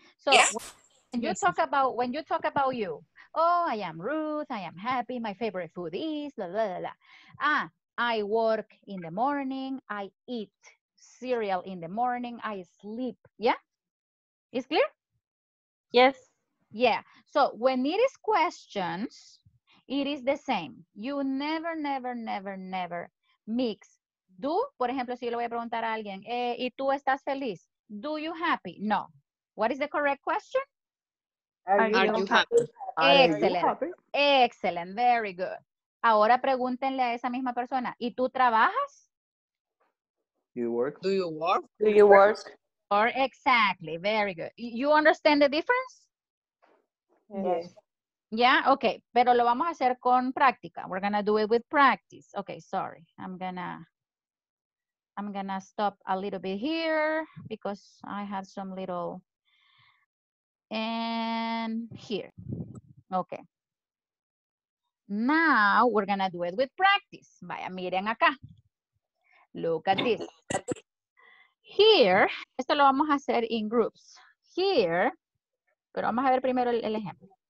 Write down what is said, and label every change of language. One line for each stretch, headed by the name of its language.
English: So, when you talk about, when you talk about you, oh, I am Ruth, I am happy, my favorite food is, la, la, la, la. Ah, I work in the morning, I eat cereal in the morning, I sleep. Yeah? Is clear? Yes. Yeah. So when it is questions, it is the same. You never, never, never, never mix.
Spanish: Do, por ejemplo, si yo le voy a preguntar a alguien, ¿y tú estás feliz?
English: Do you happy? No. What is the correct question? Are you happy? Excellent. Are you happy? Excellent. Very good.
Spanish: Ahora pregúntenle a esa misma persona, ¿y tú trabajas?
English: You work. Do you work? Do you work? Or exactly. Very good. You understand the difference? Yes. Yeah, okay.
Spanish: Pero lo vamos a hacer con práctica.
English: We're going to do it with practice. Okay, sorry. I'm gonna stop a little bit here because I have some little... And here. Okay. Now we're going to do it with practice.
Spanish: Vaya, miren acá.
English: Look at this.
Spanish: Here, esto lo vamos a hacer
English: in groups.
Spanish: Here, pero vamos a ver primero el ejemplo.